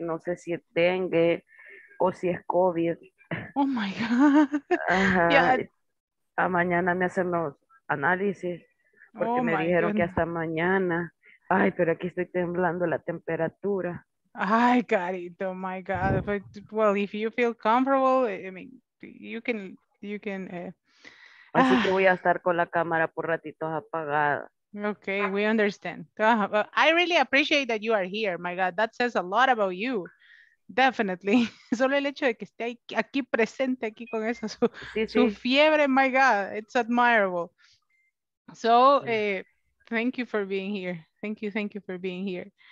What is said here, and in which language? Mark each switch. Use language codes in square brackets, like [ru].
[es] No sé si es dengue o si es COVID. [en] Oh my God. [es] Yeah. A mañana me hacen los análisis porque me dijeron que hasta mañana. Ay, pero aquí estoy temblando la temperatura. Ay, carito, [en] my God. But, well, if you feel comfortable, I mean, you can. [es] Así que voy a estar con la cámara por ratitos apagada. [en] Okay, we understand. I really appreciate that you are here. My God, that says a lot about you. [es] Definitely. Solo el hecho de que esté aquí presente aquí con esa su fiebre, [en] my God, it's admirable. So, thank you for being here. Thank you for being here.